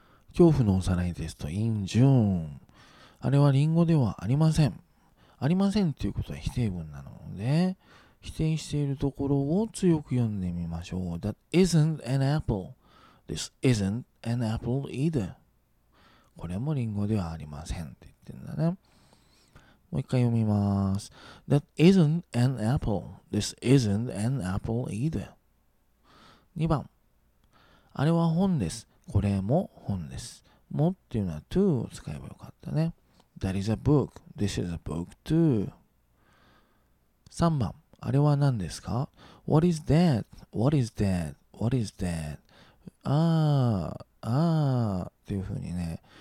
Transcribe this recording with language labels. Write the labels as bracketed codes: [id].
[ja] 恐怖の幼いですと、インジューン。あれはリンゴではありません。ありませんということは否定文なので、否定しているところを強く読んでみましょう。 [en] That isn't an apple. This isn't an apple either. [ja] これもリンゴではありませんって言ってるんだね。もう一回読みます。 [en] That isn't an apple. This isn't an apple either. [ja] 二番。あれは本です。これも本です。もっていうのは to を使えばよかったね。 [en] That is a book. This is a book too. 3番。 [ja] あれは何ですか? [en] What is that? What is that? What is that? [ja] ああ、ああ、というふうにね。